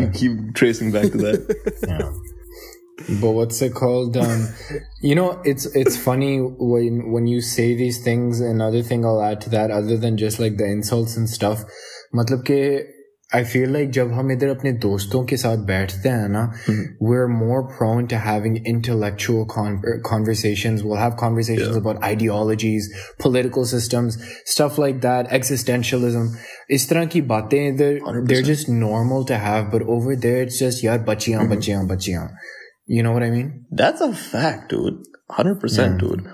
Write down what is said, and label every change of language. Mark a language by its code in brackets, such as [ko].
[en] You keep tracing back to that. But what's it called? You know, it's funny when you say these things. Another thing I'll add to that, other than just like the insults and stuff. [hi] मतलब के [en] I feel like [hi] जब हम इधर अपने दोस्तों के साथ बैठते हैं ना, [en] we're more prone to having intellectual conversations. We'll have conversations yeah. about ideologies, political systems, stuff like that, existentialism. [hi] इस तरह की बातें [en] they're just normal to have. But over there, it's just [hi] यार बच्चियां बच्चियां बच्चियां. [en] You know what I mean? That's a fact, dude. 100%, yeah. dude.